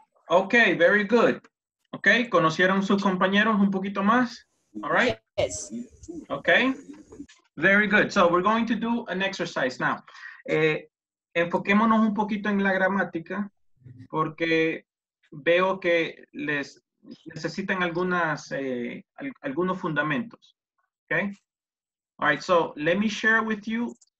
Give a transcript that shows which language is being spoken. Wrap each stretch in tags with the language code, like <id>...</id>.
<en>Okay, very good.</en> <es>Okay, ¿conocieron sus compañeros un poquito más?</es> <en>All right? Yes. Okay, very good. So we're going to do an exercise now.</en> <es>Enfoquémonos un poquito en la gramática porque veo que les necesitan algunas, algunos fundamentos.</es> <en>Okay? All right, so let me share with you.</en>